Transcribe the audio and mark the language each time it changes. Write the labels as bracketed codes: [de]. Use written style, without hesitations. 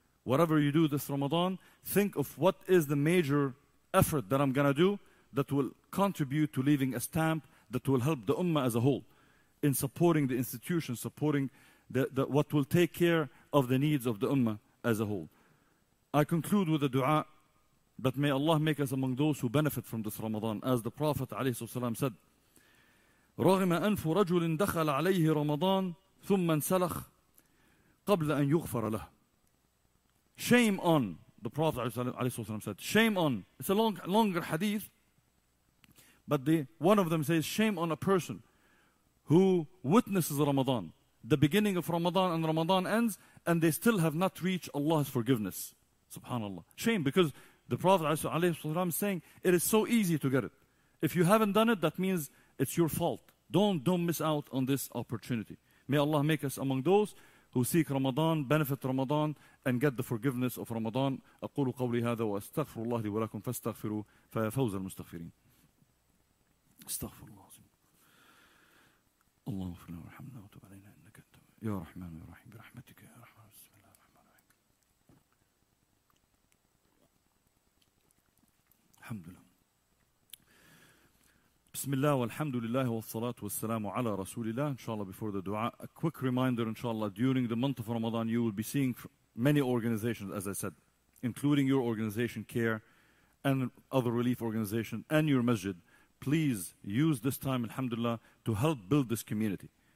[en] Whatever you do this Ramadan, think of what is the major effort that I'm going to do that will contribute to leaving a stamp that will help the ummah as a whole in supporting the institutions, supporting the what will take care of the needs of the ummah as a whole. I conclude with a dua that may Allah make us among those who benefit from this Ramadan. As the Prophet [ar] عليه السلام [en] said, [ar] رغم أنف رجل دخل عليه رمضان ثم انسلخ قبل أن يغفر له. [en] Shame on, the Prophet ﷺ said, shame on. It's a longer hadith, but one of them says, shame on a person who witnesses Ramadan, the beginning of Ramadan, and Ramadan ends, and they still have not reached Allah's forgiveness. Subhanallah. Shame, because the Prophet ﷺ is saying, it is so easy to get it. If you haven't done it, that means it's your fault. Don't miss out on this opportunity. May Allah make us among those who seek Ramadan, benefit Ramadan, and get the forgiveness of Ramadan. [ar] أقول قولي هذا وأستغفر الله لي ولكم فاستغفروا ففوز المستغفرين. استغفر الله. اللهم اغفر لنا وارحمنا وتب علينا إنك أنت يا رحمن يا رحيم برحمتك يا رحمن. بسم الله الرحمن الرحيم. الحمد لله. بسم الله والحمد لله والصلاة والسلام على رسول الله. [en] إن شاء الله before the dua, a quick reminder, إن شاء الله during the month of Ramadan you will be seeing many organizations, as I said, including your organization CARE and other relief organizations and your masjid. Please use this time, alhamdulillah, to help build this community.